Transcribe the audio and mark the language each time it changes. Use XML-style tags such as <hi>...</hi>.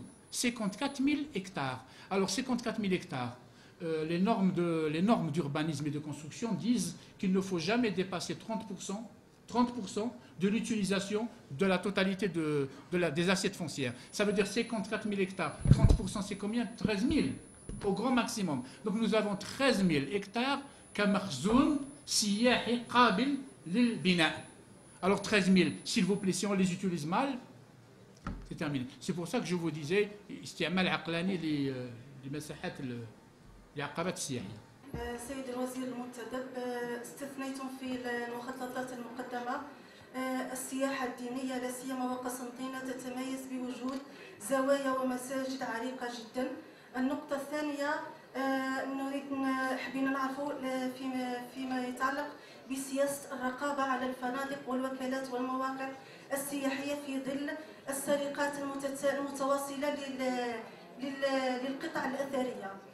<fr>54 000 hectares. Alors, 54 000 hectares, les normes d'urbanisme et de construction disent qu'il ne faut jamais dépasser 30% de l'utilisation de la totalité des assiettes foncières. Ça veut dire 54 000 hectares. 30%, c'est combien ? 13 000, au grand maximum. Donc, nous avons 13 000 hectares</fr> <ar>كمخزون سياحي قابل للبناء.</ar> <fr>Alors 13 000, s'il vous plaît, si on les utilise mal, c'est terminé. C'est pour ça que je vous disais, c'est un mal</fr> <ar>aqlani les masahat, les aqabat siyahi. سيد الوزير المنتدب استثنيتم في المخططات المقدمة السياحة الدينية لا سيما وقسنطينة تتميز بوجود زوايا ومساجد عريقة جدا. النقطة الثانية نريد حبينا نعرفوا فيما يتعلق بسياسة الرقابة على الفنادق والوكالات والمواقع السياحية في ظل السرقات المتواصلة للقطع الأثرية.</ar>